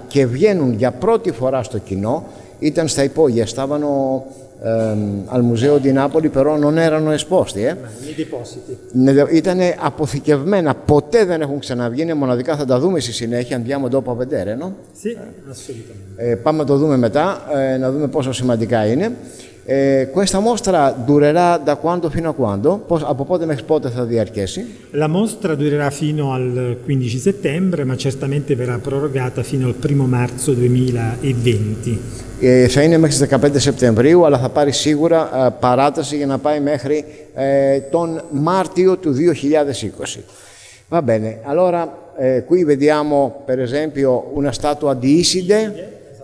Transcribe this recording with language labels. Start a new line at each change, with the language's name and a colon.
Greek: Και βγαίνουν για πρώτη φορά στο κοινό, ήταν στα υπόγεια, στάβανο
Italian: al Museo di Napoli, però non erano esposti. Nei depositi.
Greek: Ήταν αποθηκευμένα, ποτέ δεν έχουν ξαναβγεί, μοναδικά θα τα δούμε στη συνέχεια,
Italian: andiamo dopo a vedere, no? Sì, assolutamente.
Greek: Πάμε να το δούμε μετά, να δούμε πόσο σημαντικά είναι.
Italian: Questa mostra durerà da quando fino a quando?
Greek: Από πότε μέχρι πότε θα διαρκέσει?
Italian: La mostra durerà fino al 15 settembre, ma certamente verrà prorogata fino al 1 marzo 2020.
Greek: Θα είναι μέχρι 15 Σεπτεμβρίου, αλλά θα πάρει σίγουρα παράταση για να πάει μέχρι τον Μάρτιο του 2020.
Italian: Va bene. Allora, qui vediamo, per esempio, una statua di Iside.